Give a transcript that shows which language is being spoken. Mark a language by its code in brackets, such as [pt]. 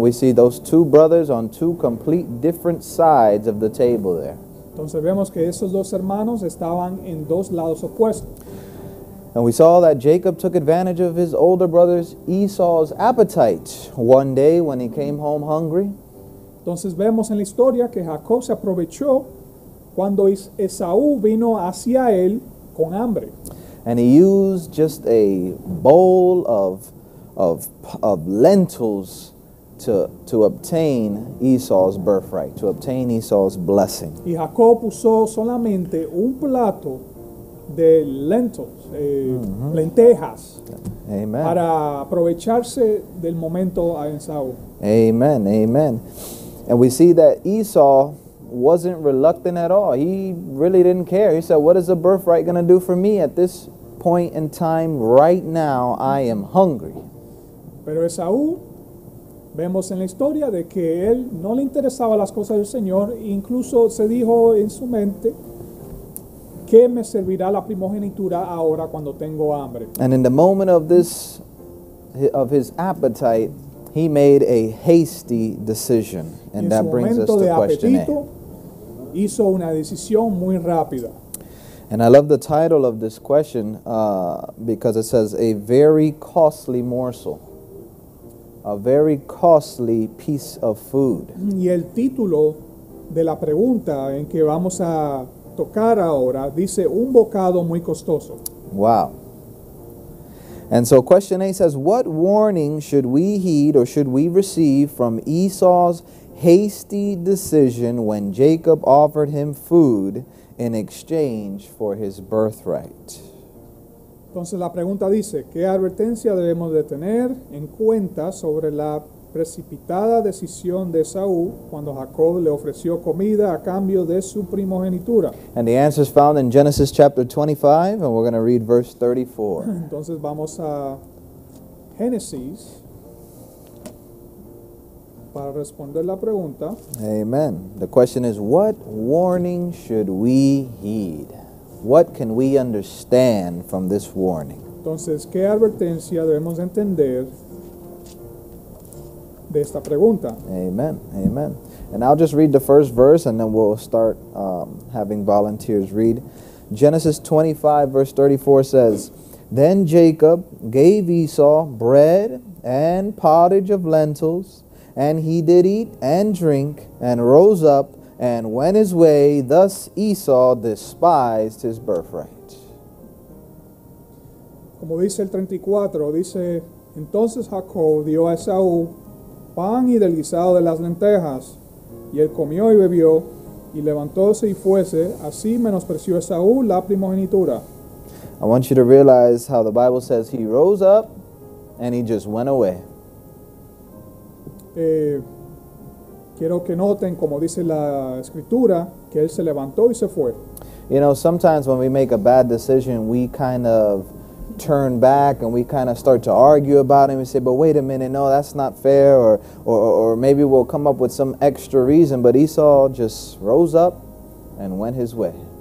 [en] We see those two brothers on two complete different sides of the table there. [es] Entonces vemos que esos dos hermanos estaban en dos lados opuestos. [en] And we saw that Jacob took advantage of his older brother Esau's appetite one day when he came home hungry. [es] Entonces vemos en la historia que Jacob se aprovechó cuando Esaú vino hacia él con hambre. [en] And he used just a bowl of lentils to obtain Esau's birthright, to obtain Esau's blessing. [es] Y Jacob usó solamente un plato de lentils, lentejas. Amen. Para aprovecharse del momento a Esaú. Amen, amen. [en] And we see that Esau wasn't reluctant at all. He really didn't care. He said, what is the birthright going to do for me at this point in time right now? I am hungry. [es] Pero Esaú, vemos en la historia de que él no le interesaba las cosas del Señor. Incluso se dijo en su mente, ¿qué me servirá la primogenitura ahora cuando tengo hambre? [en] And in the moment of his appetite, he made a hasty decision. And that brings us to question A. [es] Hizo una decisión muy rápida. [en] And I love the title of this question because it says, a very costly morsel. A very costly piece of food. [es] Y el título de la pregunta en que vamos a tocar ahora dice, un bocado muy costoso. [en] Wow. And so question A says, what warning should we heed or should we receive from Esau's hasty decision when Jacob offered him food in exchange for his birthright? [es] Entonces la pregunta dice, ¿qué advertencia debemos de tener en cuenta sobre la precipitada decisión de Esaú cuando Jacob le ofreció comida a cambio de su primogenitura? [en] And the answer is found in Genesis chapter 25, and we're going to read verse 34. [es] Entonces vamos a Génesis para responder la pregunta. Amen. [en] The question is, what warning should we heed? What can we understand from this warning? [es] Entonces, ¿qué advertencia debemos entender de esta pregunta? Amen, amen. [en] And I'll just read the first verse, and then we'll start having volunteers read. Genesis 25, verse 34 says, "Then Jacob gave Esau bread and pottage of lentils, and he did eat and drink, and rose up and went his way. Thus Esau despised his birthright." [es] Como dice el 34, dice, "Entonces Jacob dio a Esau pan y del guisado de las lentejas, y él comió y bebió, y levantóse y fuese, así menospreció Esau la primogenitura." [en] I want you to realize how the Bible says he rose up and he just went away. [es] Quiero que noten como dice la escritura que él se levantó y se fue. [en] You know, sometimes when we make a bad decision, we kind of turn back and we kind of start to argue about it and we say, but wait a minute, no, that's not fair, or maybe we'll come up with some extra reason, but Esau just rose up and went his way.